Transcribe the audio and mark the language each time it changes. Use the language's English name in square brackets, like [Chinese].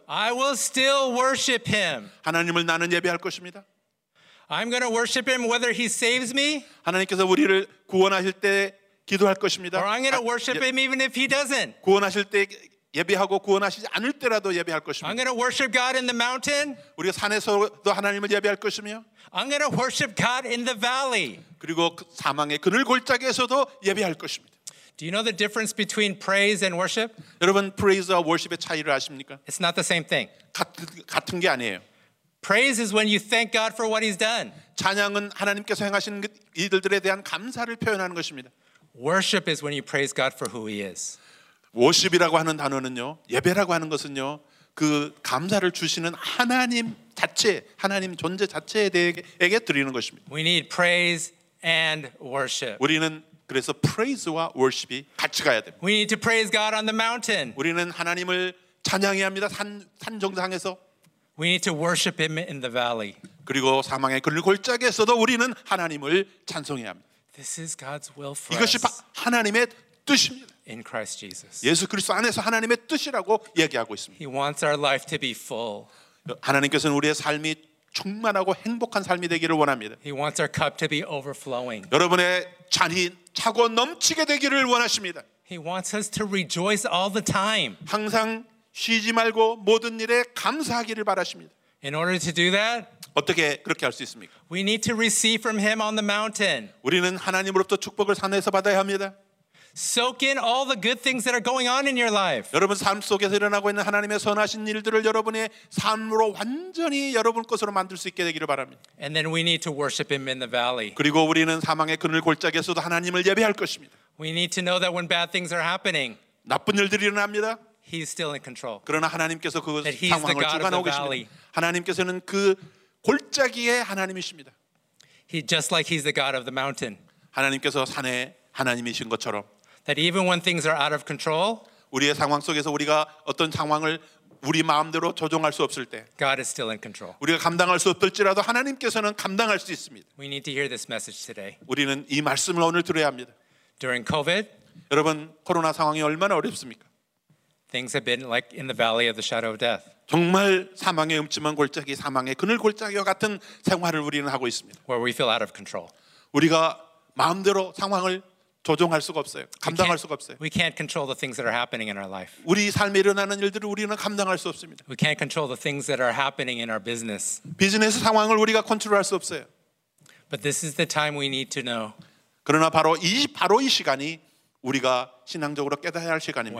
[English] I will still worship Him. [Korean] 하나님을 나는 예배할 것입니다. [English] I'm going to worship Him whether He saves me. [Korean] 하나님께서 우리를 구원하실 때 기도할 것입니다. [English] Or I'm going to worship Him even if He doesn't. [Korean] 구원하실 때 예배하고 구원하시지 않을 때라도 예배할 것입니다. [English] I'm going to worship God in the mountain. [Korean] 우리 산에서도 하나님을 예배할 것이며, [English] I'm going to worship God in the valley. [Korean] 그리고 사망의 그늘 골짜기에서도 예배할 것입니다. [English] Do you know the difference between praise and worship? [Korean] 여러분 praise와 worship의 차이를 아십니까? [English] It's not the same thing. [Korean] 같은 게 아니에요. [English] Praise is when you thank God for what He's done. [Korean] 찬양은 하나님께서 행하신 일들에 대한 감사를 표현하는 것입니다. [English] Worship is when you praise God for who He is. [Korean] Worship이라고 하는 단어는요, 예배라고 하는 것은요, 그 감사를 주시는 하나님 자체, 하나님 존재 자체에 대해 드리는 것입니다. [English] We need praise and worship. [Korean] 우리는 그래서 praise와 worship이 같이 가야 됩니다. [English] We need to praise God on the mountain. [Korean] 우리는 하나님을 찬양해야 합니다. 산 정상에서. [English] We need to worship Him in the valley. [Korean] 그리고 사망의 그늘 골짜기에서도 우리는 하나님을 찬송해야 합니다. [English] This is God's will for us. [Korean] 이것이 하나님의 뜻입니다. [English] In Christ Jesus. [Korean] 예수 그리스도 안에서 하나님의 뜻이라고 얘기하고 있습니다. [English] He wants our life to be full. [Korean] 하나님께서는 우리의 삶이 충만하고 행복한 삶이 되기를 원합니다. [English] He wants our cup to be overflowing. [Korean] 여러분의 잔이 차고 넘치게 되기를 원하십니다. [English] He wants us to rejoice all the time. [Korean] 항상 쉬지 말고 모든 일에 감사하기를 바라십니다. [English] In order to do that, [Korean] 어떻게 그렇게 할 수 있습니까? [English] We need to receive from Him on the mountain. [Korean] 우리는 하나님으로부터 축복을 산에서 받아야 합니다. [English] Soak in all the good things that are going on in your life. [Korean] 여러분 삶 속에서 일어나고 있는 하나님의 선하신 일들을 여러분의 삶으로 완전히 여러분 것으로 만들 수 있게 되기를 바랍니다. [English] And then we need to worship Him in the valley. [Korean] 그리고 우리는 사망의 그늘 골짜기에서도 하나님을 예배할 것입니다. [English] We need to know that when bad things are happening, [Korean] 나쁜 일들이 일어납니다. [English] He's still in control. [Korean] 그러나 하나님께서 그 상황을 주관하고 계십니다. 하나님께서는 그 골짜기에 하나님이십니다. [English] He just like He's the God of the mountain. [Korean] 하나님께서 산에 하나님이신 것처럼. [English] That even when things are out of control, [Korean] 우리의 상황 속에서 우리가 어떤 상황을 우리 마음대로 조종할 수 없을 때, [English] God is still in control. [Korean] 우리가 감당할 수 없을지라도 하나님께서는 감당할 수 있습니다. [English] We need to hear this message today. [Korean] 우리는 이 말씀을 오늘 들어야 합니다. [English] During COVID, [Korean] 여러분 코로나 상황이 얼마나 어렵습니까? [English] Things have been like in the valley of the shadow of death. [Korean] 정말 사망의 음침한 골짜기, 사망의 그늘 골짜기와 같은 생활을 우리는 하고 있습니다. [English] Where we feel out of control. [Korean] 우리가 마음대로 상황을 조종할 수가 없어요. 감당할 수가 없어요. [English] We can't control the things that are happening in our life. [Korean] 우리 삶에 일어나는 일들을 우리는 감당할 수 없습니다. [English] We can't control the things that are happening in our business. [Korean] 비즈니스 상황을 우리가 컨트롤할 수 없어요. [English] But this is the time we need to know. [Korean] 그러나 바로 이 시간이 우리가 신앙적으로 깨달아야 할 시간입니다.